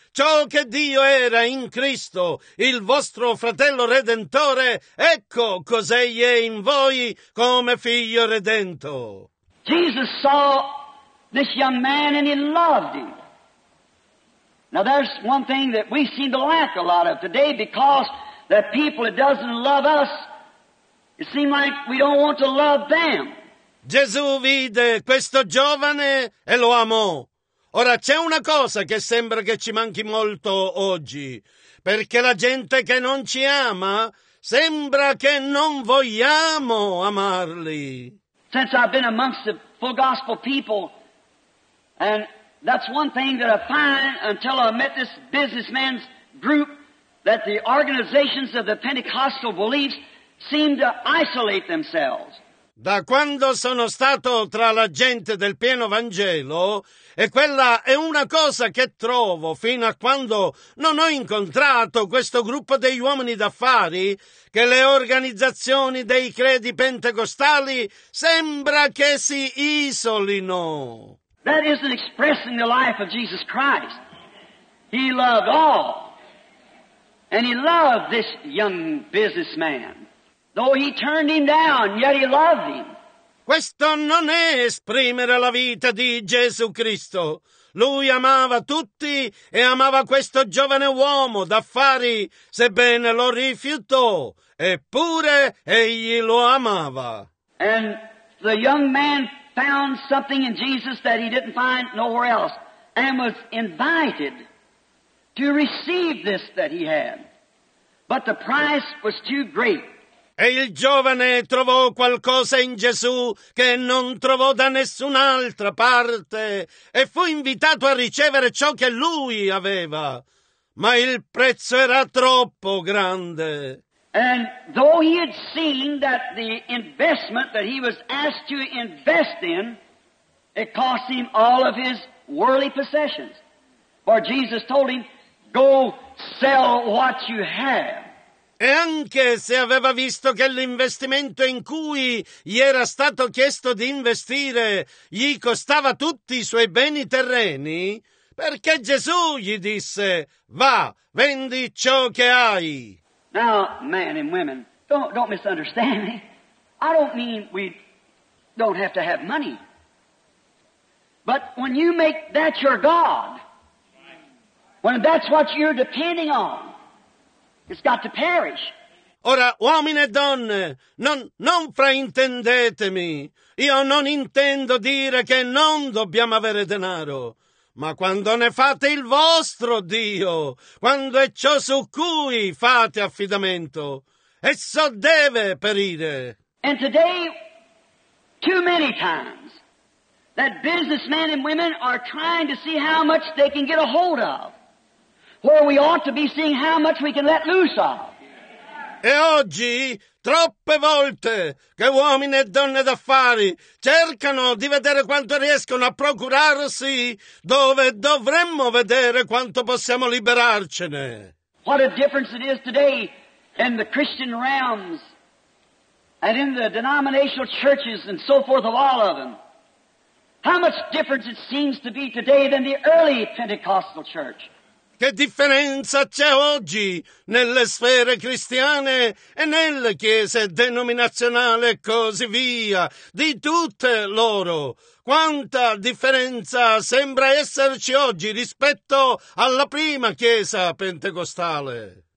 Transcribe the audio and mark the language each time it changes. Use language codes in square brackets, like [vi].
[it] Ciò che Dio era in Cristo, il vostro fratello redentore, ecco cos'egli è in voi come figlio redento. [en] Jesus saw this young man and he loved him. Now there's one thing that we seem to lack a lot of today, because that people that doesn't love us, it seems like we don't want to love them. [it] Gesù vide questo giovane e lo amò. Ora c'è una cosa che sembra che ci manchi molto oggi, perché la gente che non ci ama sembra che non vogliamo amarli. [en] Since I've been amongst the full gospel people, and that's one thing that I find until I met this businessman's group, that the organizations of the Pentecostal beliefs seem to isolate themselves. [it] Da quando sono stato tra la gente del pieno Vangelo, e quella è una cosa che trovo fino a quando non ho incontrato questo gruppo degli uomini d'affari, che le organizzazioni dei credi pentecostali sembra che si isolino. [en] That isn't expressing the life of Jesus Christ. He loved all. And he loved this young businessman. Though he turned him down, yet he loved him. [it] Questo non è esprimere la vita di Gesù Cristo. Lui amava tutti e amava questo giovane uomo d'affari, sebbene lo rifiutò. Eppure egli lo amava. [en] And the young man found something in Jesus that he didn't find nowhere else, and was invited to receive this that he had. But the price was too great. [it] E il giovane trovò qualcosa in Gesù che non trovò da nessun'altra parte, e fu invitato a ricevere ciò che lui aveva. Ma il prezzo era troppo grande. [en] And though he had seen that the investment that he was asked to invest in, it cost him all of his worldly possessions. For Jesus told him, go sell what you have. [it] E anche se aveva visto che l'investimento in cui gli era stato chiesto di investire gli costava tutti i suoi beni terreni, perché Gesù gli disse, va, vendi ciò che hai. [en] Now, men and women, don't misunderstand me. I don't mean we don't have to have money. But when you make that your God, when that's what you're depending on, it's got to perish. [it] Ora, uomini e donne, non fraintendetemi. Io non intendo dire che non dobbiamo avere denaro. Ma quando ne fate il vostro Dio, quando è ciò su cui fate affidamento, esso deve perire. [en] And today, too many times, that businessmen and women are trying to see how much they can get a hold of. Where we ought to be seeing how much we can let loose of. [it] E oggi, troppe volte, che uomini e donne d'affari cercano di vedere quanto riescono a procurarsi dove dovremmo vedere quanto possiamo liberarcene. [en] What a difference it is today in the Christian realms and in the denominational churches and so forth of all of them. How much difference it seems to be today than the early Pentecostal church. [it] Che differenza c'è oggi nelle sfere cristiane e nelle chiese denominazionali e così via, di tutte loro. Quanta differenza sembra esserci oggi rispetto alla prima chiesa pentecostale.